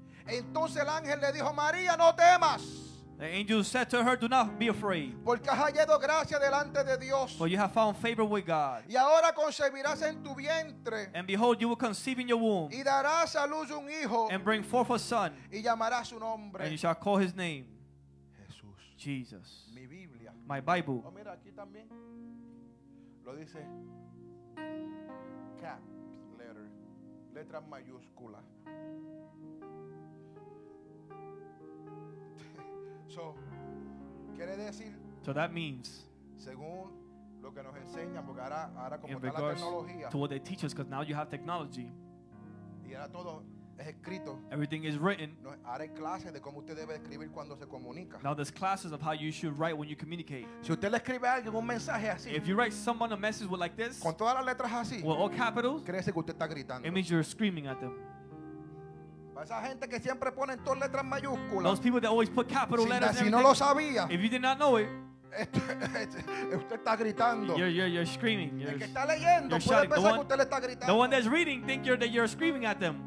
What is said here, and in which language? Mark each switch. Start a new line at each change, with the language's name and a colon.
Spanish: Entonces el ángel le dijo, María, no temas.
English: The angel said to her, do not be afraid.
Spanish: Porque has hallado gracia delante de Dios.
English: For you have found favor with God.
Spanish: Y ahora concebirás en tu vientre.
English: And behold, you will conceive in your womb.
Spanish: Y darás a luz un hijo.
English: And bring forth a son.
Spanish: Y llamarás su nombre.
English: And you shall call his name.
Spanish: Jesús.
English: Jesus.
Spanish: Mi Biblia.
English: My Bible.
Spanish: Oh, mira, aquí también. Lo dice.
English: Caps letter.
Spanish: Letras mayúsculas. So, quiere decir,
English: so that means
Spanish: según lo que nos enseñan, porque ahora como está la tecnología,
English: to what they teach us, because now you have technology,
Spanish: y ahora todo es escrito,
English: everything is written.
Spanish: Ahora hay clases de cómo usted debe escribir cuando se comunica.
English: Now there's classes of how you should write when you communicate.
Spanish: Si usted le escribe a alguien un mensaje así,
English: if you write someone a message with like this,
Spanish: con todas las letras así,
English: with all capitals,
Spanish: créese que usted está gritando.
English: It means you're screaming at them.
Spanish: Esa gente que siempre ponen todas letras mayúsculas.
English: Those people that always put capital letters.
Spanish: Si no lo sabía.
English: If you did not know it.
Spanish: Usted está gritando.
English: You're screaming.
Spanish: El que está leyendo puede pensar que usted le está gritando.
English: The one that's reading think you're screaming at them.